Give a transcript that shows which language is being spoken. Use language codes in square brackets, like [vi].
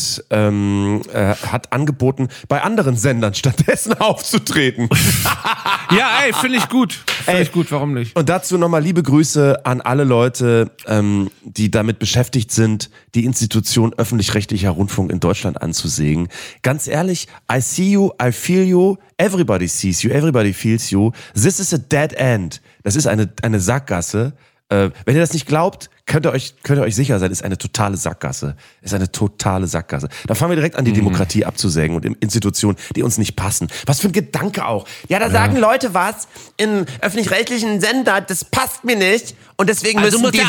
[de] Hat angeboten, bei anderen Sendern stattdessen aufzutreten. Ja, ey, finde ich gut, warum nicht? Und dazu nochmal liebe Grüße an alle Leute, die damit beschäftigt sind, die Institution öffentlich-rechtlicher Rundfunk in Deutschland anzusägen. Ganz ehrlich, [en] I see you, I feel you, everybody sees you, everybody feels you. This is a dead end. [de] Das ist eine Sackgasse. Wenn ihr das nicht glaubt, könnt ihr euch sicher sein, ist eine totale Sackgasse. Da fangen wir direkt an, die Demokratie abzusägen und Institutionen, die uns nicht passen. Was für ein Gedanke auch. Ja, da sagen Leute was im öffentlich-rechtlichen Sender, das passt mir nicht und deswegen müssen die weg.